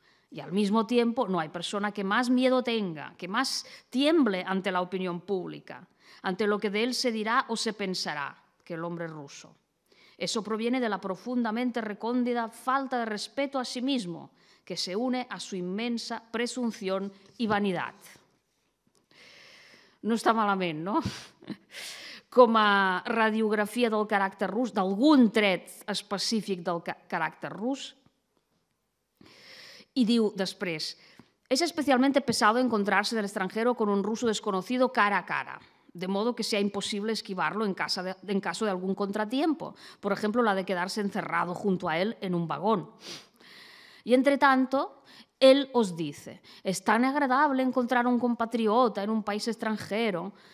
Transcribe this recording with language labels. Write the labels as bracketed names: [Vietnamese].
[Spanish] Y al mismo tiempo, no hay persona que más miedo tenga, que más tiemble ante la opinión pública, ante lo que de él se dirá o se pensará, que el hombre ruso. Eso proviene de la profundamente recóndita falta de respeto a sí mismo, que se une a su inmensa presunción y vanidad. [Catalan] No está malament, ¿no? Com a radiografia del caràcter rus, d'algun tret específic del caràcter rus. Y diu després, [Spanish] es especialmente pesado encontrarse del extranjero con un ruso desconocido cara a cara, de modo que sea imposible esquivarlo en caso de algún contratiempo, por ejemplo, la de quedarse encerrado junto a él en un vagón. Y entre tanto, él os dice, es tan agradable encontrar un compatriota en un país extranjero.